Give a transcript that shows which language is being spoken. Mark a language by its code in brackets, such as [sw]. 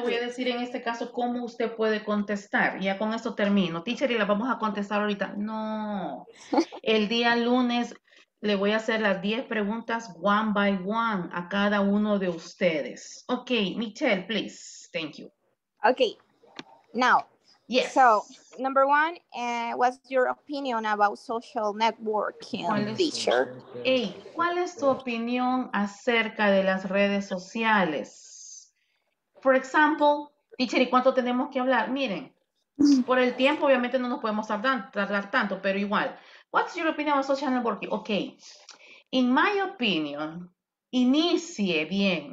[es] Le voy a decir en este caso cómo usted puede contestar. Ya con esto termino. Teacher, y la vamos a contestar ahorita. No, el día lunes le voy a hacer las 10 preguntas [en] one by one [es] a cada uno de ustedes. [en] Ok, Michelle, please. Thank you. Ok, now. Yes. So, number one, what's your opinion about social networking, teacher? [es] Hey, ¿cuál es tu opinión acerca de las redes sociales? [en] For example, [es] teacher, ¿y cuánto tenemos que hablar? Miren, por el tiempo obviamente no nos podemos tardar tanto, pero igual. [en] What's your opinion about social networking? Okay. In my opinion, [es] inicie bien.